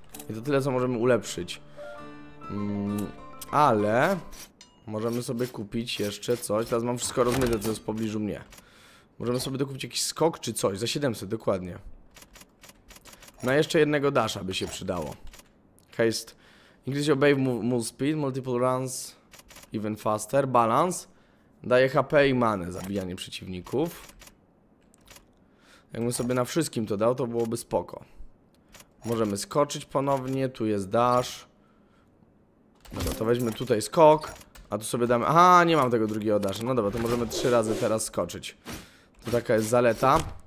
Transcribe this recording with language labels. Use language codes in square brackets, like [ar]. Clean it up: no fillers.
[pl] I to tyle, co możemy ulepszyć. Ale możemy sobie kupić jeszcze coś. Teraz mam wszystko rozmyte, co jest w pobliżu mnie. Możemy sobie dokupić jakiś skok czy coś. Za 700, dokładnie. Na jeszcze jednego dasha by się przydało. [en] Heist. Increase your base move speed, multiple runs, even faster. Balance. [pl] Daje HP i manę zabijanie przeciwników. Jakbym sobie na wszystkim to dał, to byłoby spoko. Możemy skoczyć ponownie. Tu jest dash. Dobra, to weźmy tutaj skok. A tu sobie damy... Aha, nie mam tego drugiego dasha. No dobra, to możemy trzy razy teraz skoczyć. To taka jest zaleta.